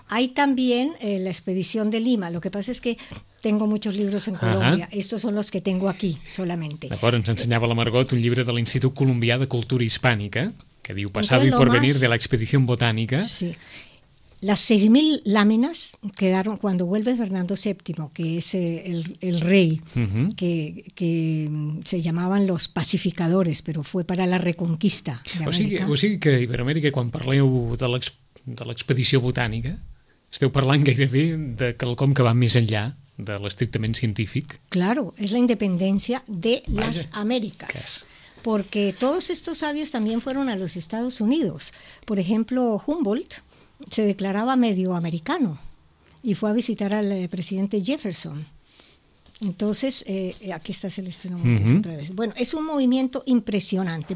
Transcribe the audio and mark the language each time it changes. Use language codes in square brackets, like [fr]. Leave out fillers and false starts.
[es] Hay también la expedición de Lima. Lo que pasa es que tengo muchos libros en Colombia. Estos son los que tengo aquí solamente. [ca] D'acord, ens ensenyava la Margot un llibre de l'Institut Colombià de Cultura Hispànica, que diu [es] Passado y Porvenir de la Expedición Botánica. Sí. Las 6.000 láminas quedaron cuando vuelve Fernando VII, que es el rey, que se llamaban los pacificadores, pero fue para la reconquista de América. [ca] O sigui que a Iberoamèrica, quan parleu de l'expedició botànica, esteu parlant gairebé de quelcom que va més enllà de l'estrictament científic. [es] Claro, es la independencia de las Américas. Porque todos estos sabios también fueron a los Estados Unidos. Por ejemplo, Humboldt se declaraba medio americano y fue a visitar al presidente Jefferson. Entonces, aquí está Celestino Mutis otra vez. Bueno, es un movimiento impresionante.